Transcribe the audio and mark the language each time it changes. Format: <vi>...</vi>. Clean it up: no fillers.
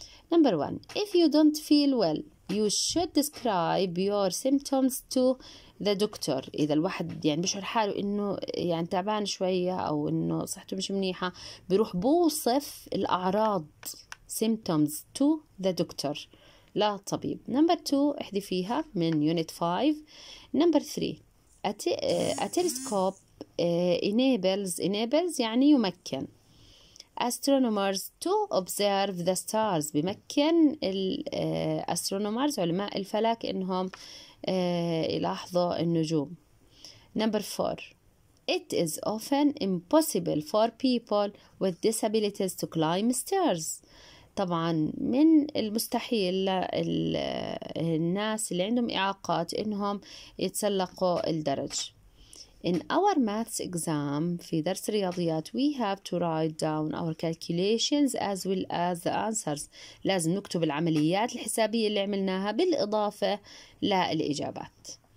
<en>number 1 if you don't feel well you should describe your symptoms to the doctor.</en> <ar>إذا الواحد يعني بيشعر حاله إنه يعني تعبان شوية أو إنه صحته مش منيحة بيروح بوصف الأعراض</ar> <en>symptoms to the doctor</en> <ar>لا طبيب.</ar> <en>number 2</en> <ar>احذفيها من</ar> <en>unit 5. number 3 a telescope enables</en> <ar>يعني يمكن.</ar> <en>astronomers to observe the stars</en> <ar>بمكن الاسترونومرز علماء الفلك انهم يلاحظوا النجوم.</ar> <en>number 4 It is often impossible for people with disabilities to climb stairs.</en> <ar>طبعا من المستحيل للناس اللي عندهم إعاقات إنهم يتسلقوا الدرج.</ar> <en>In our maths exam,</en> <ar>في درس الرياضيات,</ar> <en>we have to write down our calculations as well as the answers.</en> <ar>لازم نكتب العمليات الحسابية اللي عملناها بالإضافة للإجابات.</ar>